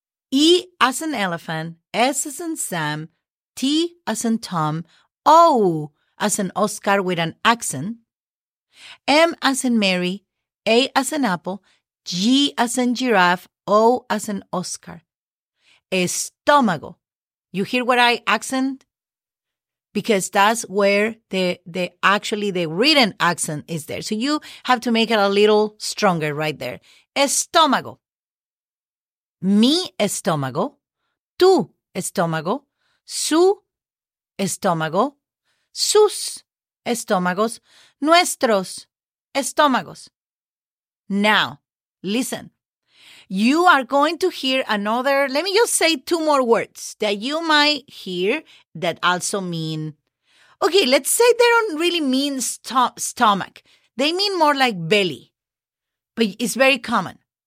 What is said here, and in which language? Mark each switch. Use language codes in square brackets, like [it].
[en] E as in elephant, S as in Sam, T as in Tom, O as in Oscar with an accent, M as in Mary, A as in apple, G as in giraffe, O as in Oscar. Estómago. You hear what I accent? Because that's where the written accent is there. So you have to make it a little stronger right there. [es] Estómago. Mi estómago, tu estómago, su estómago, sus estómagos, nuestros estómagos. [en] Now, listen. You are going to hear another, let me just say two more words that you might hear that also mean, okay, let's say they don't really mean stomach. They mean more like belly, but it's very common.